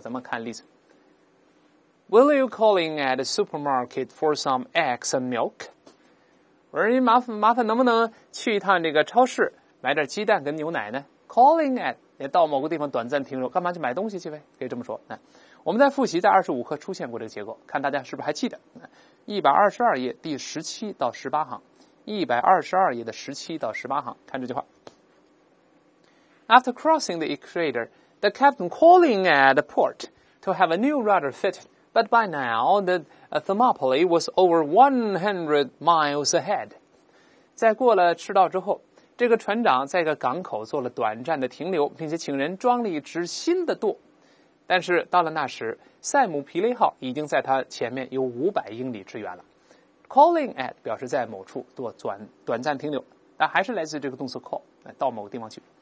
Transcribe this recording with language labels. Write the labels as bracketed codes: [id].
[zh] 咱们看例子， [en] Will you call in at the supermarket for some eggs and milk？ [zh] 我说你麻烦能不能去一趟这个超市买点鸡蛋跟牛奶呢？ Calling at， 也到某个地方短暂停留，干嘛去买东西去呗，可以这么说。我们在复习在25课出现过这个结构，看大家是不是还记得。122页第17到18行，122页的17到18行，看这句话。 [en] After crossing the equator, the captain calling at the port to have a new rudder fitted, but by now the Thermopylae was over 100 miles ahead. [zh] 在过了赤道之后，这个船长在一个港口做了短暂的停留，并且请人装了一只新的舵。但是到了那时，塞姆皮雷号已经在他前面有500英里之远了。 Calling at 表示在某处做短暂停留，那还是来自这个动词 call， 到某个地方去。